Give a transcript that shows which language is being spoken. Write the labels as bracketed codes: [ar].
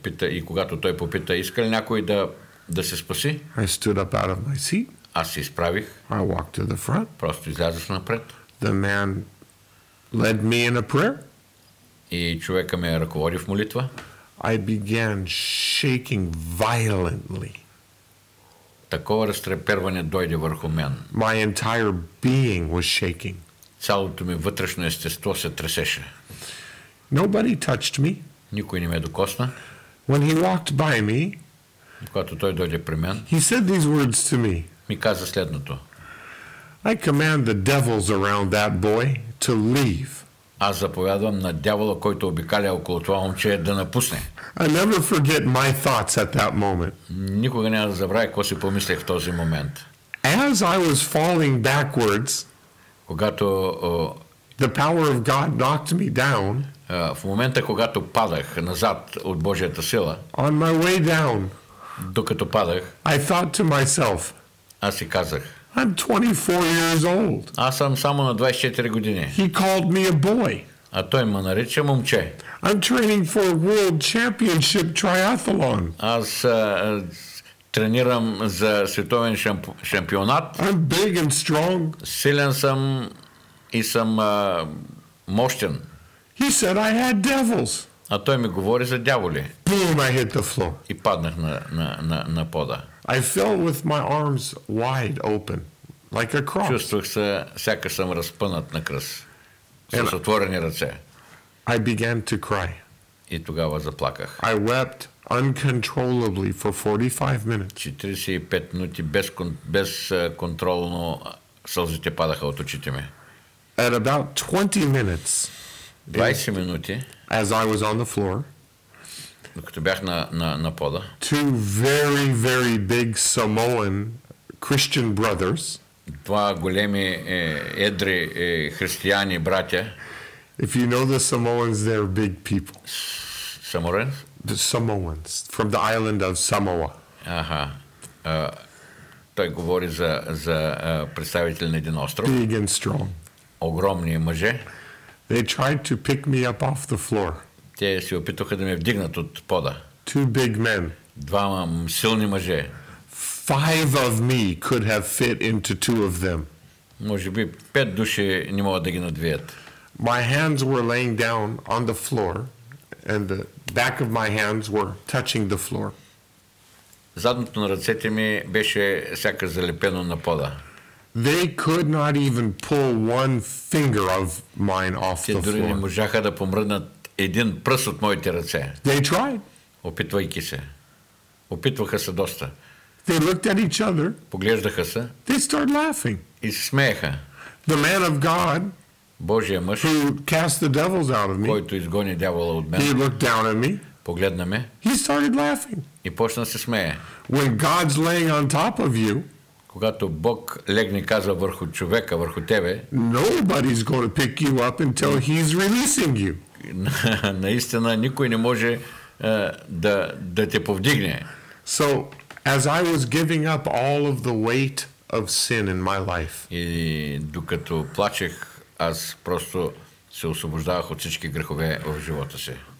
[bg] И когато той попита иска ли някой да се спаси? [en] I stood up out of my seat. [bg] Аз се изправих. [en] I walked to the front. [bg] Просто излязох напред. [en] The man led me in a prayer. [bg] И човека ме ръководи в молитва. [en] I began shaking violently. [bg] Такова разтреперване дойде върху мен. [en] My entire being was shaking. [bg] Цялото ми вътрешно естество се тресеше. [en] Nobody touched me. [bg] Никой не ме докосна. [en] When he walked by me, [bg] когато той дойде при мен, [en] he said these words to me. [bg] Ми каза следното. [en] I command the devils around that boy to leave. [bg] аз заповядвам на дявола, който обикаля около това момче, да напусне. [en] I never forget my thoughts at that moment. [bg] Никога няма да забравя какво си помислих в този момент. [en] As I was falling backwards, [bg] когато [en] the power of God knocked me down, [bg] в момента, когато падах назад от Божията сила, [en] on my way down, [bg] докато падах, [en] I thought to myself, [bg] аз си казах, [en] I'm 24 years old. [bg] Аз съм само на 24 години. [en] He called me a boy. [bg] А той ме нарича момче. [en] I'm training for a world championship triathlon. [bg] Аз тренирам за световен шампионат. [en] I'm big and strong. [bg] Силен съм и съм мощен. [en] He said I had devils. [bg] А той ми говори за дяволи. [en] Boom, I hit the floor. [bg] И паднах на пода. [en] I fell with my arms wide open, like a cross. [bg] Чувствах се, сякаш съм разпънат на кръст, с отворени ръце. [en] I began to cry. [bg] И тогава заплаках. [en] I wept uncontrollably for 45 minutes. [bg] 45 минути безконтролно сълзите падаха от очите ми. [en] At about 20 minutes, [bg] 20 минути, [en] as I was on the floor, [bg] докато бях на пода, [en] two very, very big Samoan Christian brothers, [bg] два големи едри християни братя. [en] If you know the Samoans, they're big people. Samoans? The Samoans from the island of Samoa. [bg] Аха. Той говори за представители на един остров. [en] Big and strong. [bg] Огромни мъже. [en] They tried to pick me up off the floor. [bg] Те се опитаха да ме вдигнат от пода. [en] Two big men. [bg] Двама силни мъже. [en] Five of me could have fit into two of them. [bg] Може би пет души не могат да ги надвият. [en] My hands were laying down on the floor and the back of my hands were touching the floor. [bg] Задното на ръцете ми беше сякаш залепено на пода. [en] They could not even pull one finger of mine off the floor. [bg] Те дори не можаха да помръднат един пръст от моите ръце. [en] They tried. [bg] Опитвайки се. Опитваха се доста. [en] They looked at each other. [bg] Поглеждаха се. [en] They started laughing. [bg] И се смееха. [en] The man of God, [bg] Божия мъж, [en] who cast the devils out of me, [bg] който изгони дявола от мен, [en] he looked down at me. [bg] Погледна ме. [en] He started laughing. [bg] И почна се смее. [en] When God's laying on top of you, [bg] когато Бог легне, каза, върху човека, върху тебе, [en] nobody's going to pick you up until he's releasing you. [bg] Наистина никой не може да те повдигне. [en] So, as I was giving up all of the weight of sin in my life, [bg] и докато плачех, аз просто се освобождавах от всички грехове в живота си.